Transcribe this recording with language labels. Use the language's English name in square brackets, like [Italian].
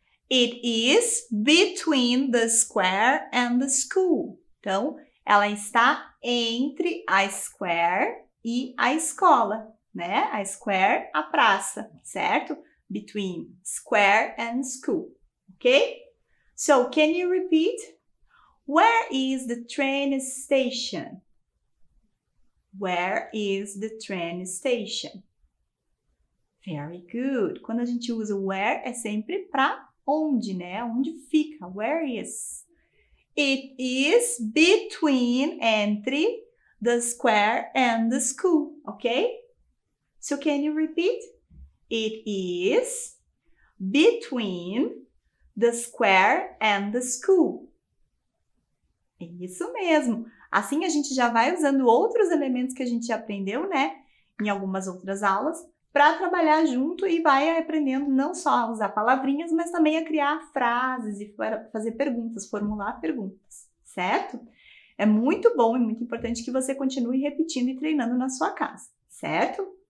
[English] It is between the square and the school. [Portuguese] Então, ela está entre a square e a escola, né? [English] A square, [Portuguese] a praça, certo? [English] Between square and school, ok? So, can you repeat? Where is the train station? Where is the train station? Very good. [Portuguese] Quando a gente usa o where, é sempre para onde, né? Onde fica? [English] Where is? It is between, entre, the square and the school, ok? So, can you repeat? It is between the square and the school. [Portuguese] Isso mesmo. Assim, a gente já vai usando outros elementos que a gente aprendeu, né, em algumas outras aulas, para trabalhar junto e vai aprendendo não só a usar palavrinhas, mas também a criar frases e fazer perguntas, formular perguntas, certo? É muito bom e muito importante que você continue repetindo e treinando na sua casa, certo?